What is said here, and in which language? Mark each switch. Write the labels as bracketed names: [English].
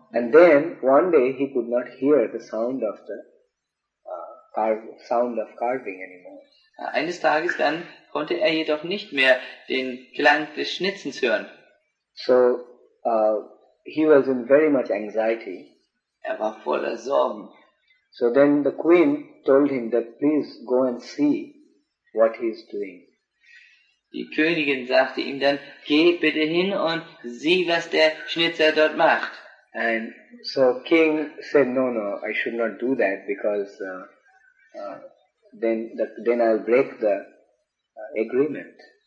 [English] And then one day he could not hear the sound of carving anymore. [German] Eines Tages dann konnte er jedoch nicht mehr den Klang des Schnitzens hören. [English] So, he was in very much anxiety. [German] Er war voller Sorgen. [English] So then the queen told him that please go and see what he is doing. [German] Die Königin sagte ihm dann, geh bitte hin und sieh, was der Schnitzer dort macht. [English] And so king said, no, no, I should not do that because then I'll break the agreement.